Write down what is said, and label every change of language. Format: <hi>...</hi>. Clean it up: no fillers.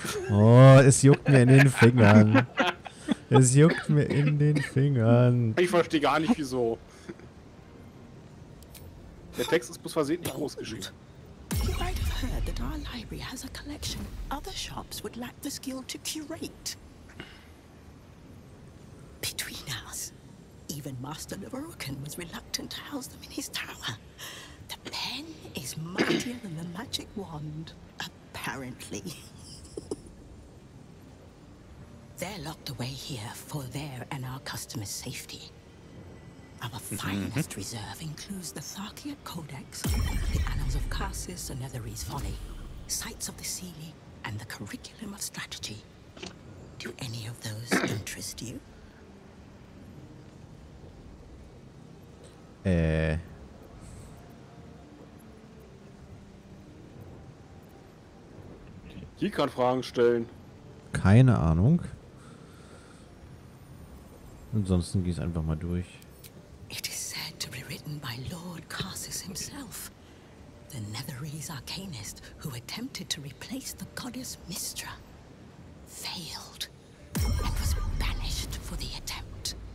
<de>Oh, es juckt mir in den Fingern. Es juckt mir in den Fingern. Ich verstehe gar nicht, wieso. Der Text ist bloß versehentlich groß geschrieben.</de> <en>You might have heard that our library has a collection. Other shops would lack the skill to curate. Between us, even Master Leverokan was reluctant to house them in his tower. The pen is mightier than the magic wand. Apparently. They're locked away here for their and our customers' safety. Our finest reserve includes the Tharkiot Codex, the Annals of Karsis and Netherese Folly, Sights of the Seelie, and the Curriculum of Strategy. Do any of those interest you?</en> <de>Die kann Fragen stellen. Keine Ahnung. Ansonsten geh's einfach mal durch.</de> <en>It is said to be written by Lord Karsis himself, the Netherese Arcanist who attempted to replace the goddess Mistra, failed and was banished for the attempt.</en>